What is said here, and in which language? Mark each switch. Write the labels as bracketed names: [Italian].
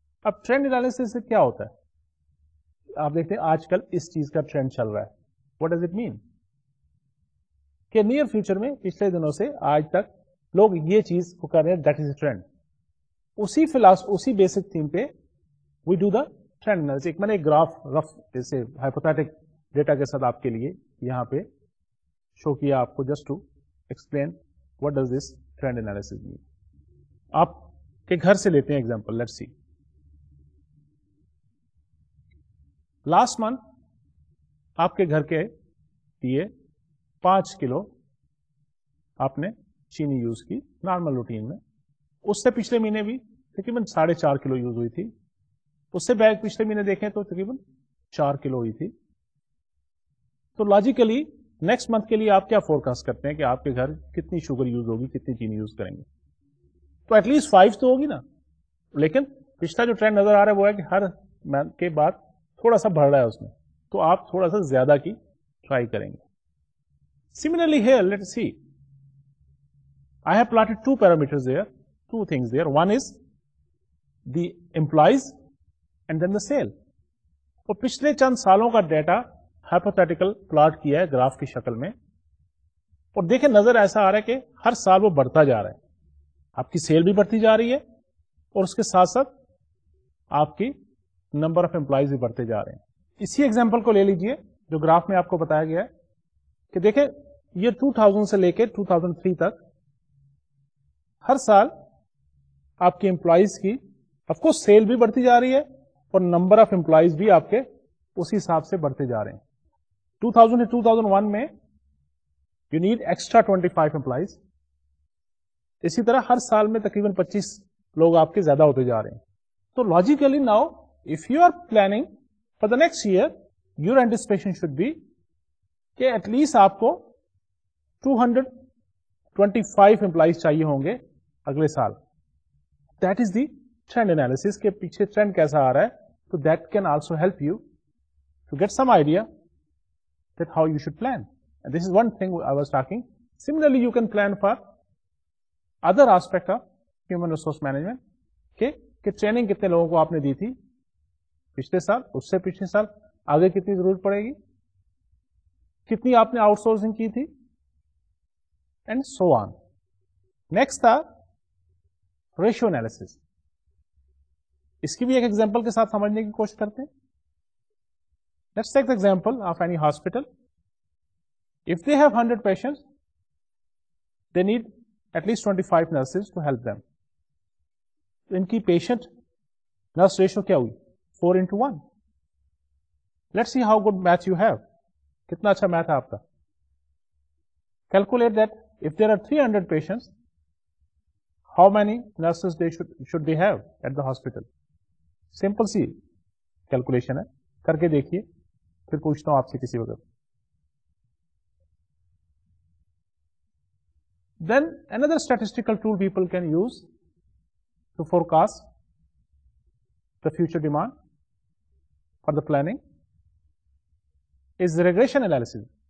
[Urdu] اب trend analysis سے کیا ہوتا ہے, آپ دیکھتے ہیں آج کل اس چیز کا ٹرینڈ چل رہا ہے, [English] what does it mean [Urdu] کہ نیئر فیوچر میں پچھلے دنوں سے آج تک لوگ یہ چیز کو کر رہے ہیں, [English] That is a trend. [Urdu] اسی فلسفہ, اسی بیسک تھیم پہ [English] We do the trend analysis. [Urdu] ایک میں نے ایک گراف رف جیسے ہائپوتھیٹک ڈیٹا کے ساتھ آپ کے لیے یہاں پہ شو کیا آپ کو, [English] Just to explain what does this trend analysis mean. [Urdu] آپ کے گھر سے لیتے ہیں example, [English] let's see last month [Urdu] آپ کے گھر کے لیے 5 کلو آپ نے چینی یوز کی نارمل روٹین میں, اس سے پچھلے مہینے بھی تقریباً 4.5 کلو یوز ہوئی تھی, اس سے بیک پچھلے مہینے دیکھیں تو تقریباً 4 کلو ہوئی تھی. تو لاجیکلی نیکسٹ منتھ کے لیے آپ کیا فورکاسٹ کرتے ہیں کہ آپ کے گھر کتنی شوگر یوز ہوگی, کتنی چینی یوز کریں گے؟ تو ایٹ لیسٹ 5 تو ہوگی نا, لیکن پچھلا جو ٹرینڈ نظر آ رہا ہے وہ ہے کہ ہر منتھ کے بعد تھوڑا سا بڑھ رہا ہے اس میں, تو آپ تھوڑا سا زیادہ کی ٹرائی کریں گے. [English] Similarly here let see, I have plotted two parameters there, two things there. One is the employees and then the sale. [Urdu] اور پچھلے چند سالوں کا ڈیٹا ہائپوتھیٹیکل پلاٹ کیا ہے گراف کی شکل میں, اور دیکھیں نظر ایسا آ رہا ہے کہ ہر سال وہ بڑھتا جا رہا ہے, آپ کی سیل بھی بڑھتی جا رہی ہے اور اس کے ساتھ ساتھ آپ کی نمبر آف امپلائیز بھی بڑھتے جا رہے ہیں. اسی ایگزامپل کو لے لیجئے جو گراف میں آپ کو بتایا گیا ہے کہ دیکھیں یہ 2000 سے لے کے 2003 تک ہر سال آپ کے امپلائیز کی آف کورس سیل بھی بڑھتی جا رہی ہے اور نمبر آف امپلائیز بھی آپ کے اسی حساب سے بڑھتے جا رہے ہیں. 2000 ٹو 2001 میں [English] you need extra 25 employees, [Urdu] اسی طرح ہر سال میں تقریباً 25 لوگ آپ کے زیادہ ہوتے جا رہے ہیں. [English] تو logically now if you are planning for the next year, your anticipation should be کہ at least [Urdu] آپ کو [English] 225 employees [Urdu] چاہیے ہوں گے اگلے سال. [English] That is the trend analysis, [Urdu] کے پیچھے [English] trend [Urdu] کیسا آ رہا ہے. [English] So that can also help you to get some idea that how you should plan. And this is one thing I was talking. Similarly, you can plan for other aspect of human resource management, [Urdu] کہ training کتنے لوگوں کو آپ نے دی تھی پچھلے سال, اس سے پچھلے سال, آگے کتنی ضرورت پڑے گی, کتنی آپ نے آؤٹ سورسنگ کی تھی, [English] And so on. [Urdu] نیکسٹ تھا ریشیو انالیسس. اس کی بھی ایک ایگزامپل کے ساتھ سمجھنے کی کوشش کرتے ہیں. [English] Let's take the example of any hospital. If they have 100 patients, they need at least 25 nurses to help them. [Urdu] ان کی پیشنٹ نرس ریشیو کیا ہوئی, 4:1. [English] Let's see how good math you have. [Urdu] Kitna acha math hai aapka. [English] Calculate that if there are 300 patients, how many nurses they should they have at the hospital. [Urdu] Simple C calculation ہے, کر کے دیکھیے پھر پوچھتا ہوں آپ سے کسی وقت. [English] Then another statistical tool people can use to forecast the future demand for the planning is regression analysis.